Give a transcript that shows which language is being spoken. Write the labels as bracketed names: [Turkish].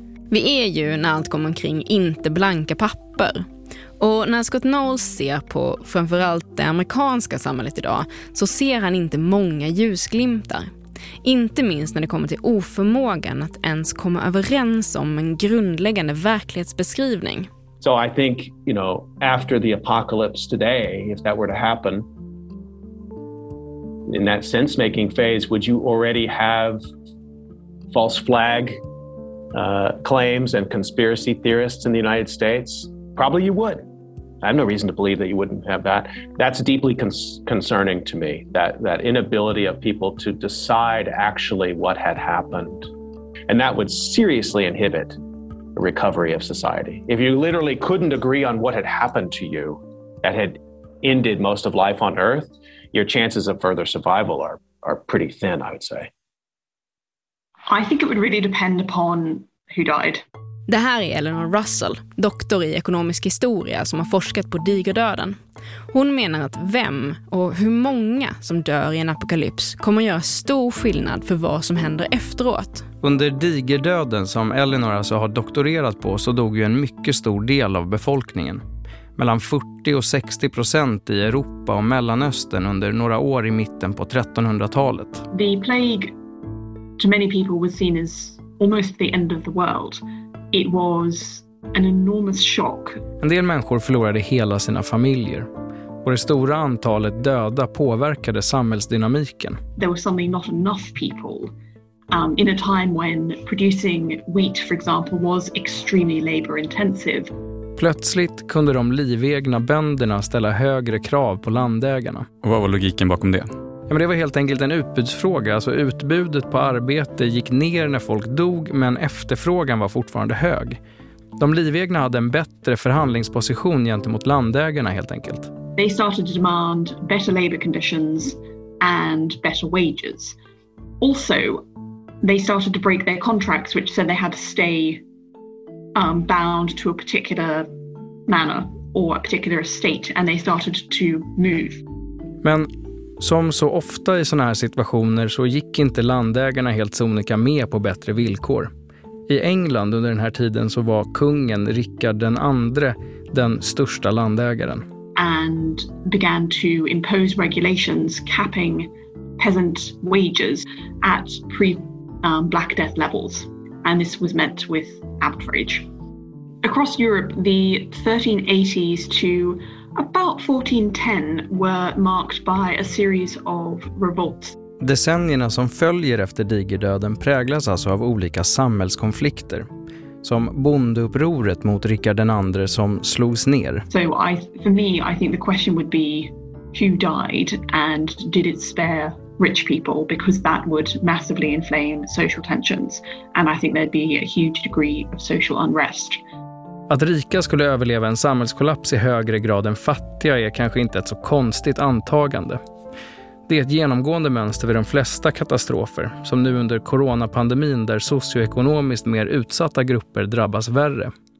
[Swedish] Vi är ju när allt kommer omkring inte blanka papper. Och när Scott Knowles ser på framförallt det amerikanska samhället idag så ser han inte många ljusglimtar. Inte minst när det kommer till oförmågan att ens komma överens om en grundläggande verklighetsbeskrivning. [English] So I think, you know, after the apocalypse today, if that were to happen, in that sense-making phase, would you already have false flag claims and conspiracy theorists in the United States? Probably you would. I have no reason to believe that you wouldn't have that. That's deeply concerning to me, that inability of people to decide actually what had happened. And that would seriously inhibit the recovery of society. If you literally couldn't agree on what had happened to you that had ended most of life on Earth, your chances of further survival are pretty thin, I would say. I think it would really depend upon who died. [Swedish] Det här är Eleanor Russell, doktor i ekonomisk historia som har forskat på digerdöden. Hon menar att vem och hur många som dör i en apokalyps kommer att göra stor skillnad för vad som händer efteråt. Under digerdöden som Eleanor alltså har doktorerat på så dog ju en mycket stor del av befolkningen. Mellan 40-60% i Europa och Mellanöstern under några år i mitten på 1300-talet. [English] The plague to many people was seen as almost the end of the world. It was an enormous shock. [Swedish] En del människor förlorade hela sina familjer. Och det stora antalet döda påverkade samhällsdynamiken. [English] There were suddenly not enough people in a time when producing wheat, for example, was extremely labor intensive. [Swedish] Plötsligt kunde de livegna bönderna ställa högre krav på landägarna. Och vad var logiken bakom det? Ja, men det var helt enkelt en utbudsfråga. Alltså utbudet på arbete gick ner när folk dog, men efterfrågan var fortfarande hög. De livegna hade en bättre förhandlingsposition gentemot landägarna helt enkelt. [English] They started to demand better labor conditions and better wages. Also, they started to break their contracts, which said they had to stay bound to a particular manor or a particular estate, and they started to move. [Swedish] Men som så ofta i såna här situationer så gick inte landägarna helt sonika med på bättre villkor. I England under den här tiden så var kungen Richard den andre den största landägaren. [English] And began to impose regulations capping peasant wages at pre Black Death levels. And this was met with outrage. Across Europe, the 1380s to about 1410 were marked by a series of revolts. [Swedish] Decennierna som följer efter digerdöden präglas alltså av olika samhällskonflikter, som bondeupproret mot Richard den andre som slogs ner. [English] So I, for me, I think the question would be who died and did it spare rich people, because that would massively inflame social tensions and I think there'd be a huge degree of social unrest. [Swedish] Att rika skulle överleva en samhällskollaps i högre grad än fattiga är kanske inte ett så konstigt antagande. Det är ett genomgående mönster vid de flesta katastrofer, som nu under coronapandemin där socioekonomiskt mer utsatta grupper drabbas värre.